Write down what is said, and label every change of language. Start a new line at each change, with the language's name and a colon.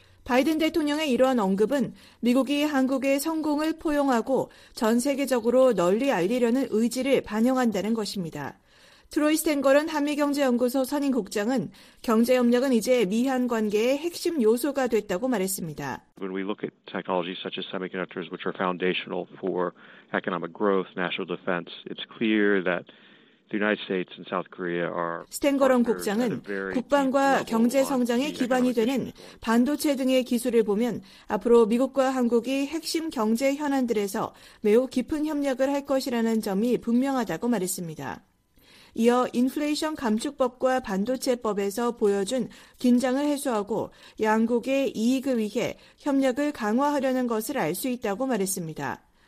Korean: 바이든 대통령의 이러한 언급은 미국이 한국의 성공을 포용하고 전 세계적으로 널리 알리려는 의지를 반영한다는 것입니다. 트로이 스탱걸은 한미경제연구소 선임 국장은 경제협력은 이제 미한 관계의 핵심 요소가 됐다고 말했습니다.
English: When we look at technologies such as semiconductors, which are foundational for economic growth, national defense, it's clear that the United States and South Korea are.
Korean: 스탱걸은 국장은 국방과 경제 성장의 기반이 되는 반도체 등의 기술을 보면 앞으로 미국과 한국이 핵심 경제 현안들에서 매우 깊은 협력을 할 것이라는 점이 분명하다고 말했습니다. 이어 인플레이션 감축법과 반도체법에서 보여준 긴장을 해소하고 양국의 이익을 위해 협력을 강화하려는 것을 알 수 있다고 말했습니다.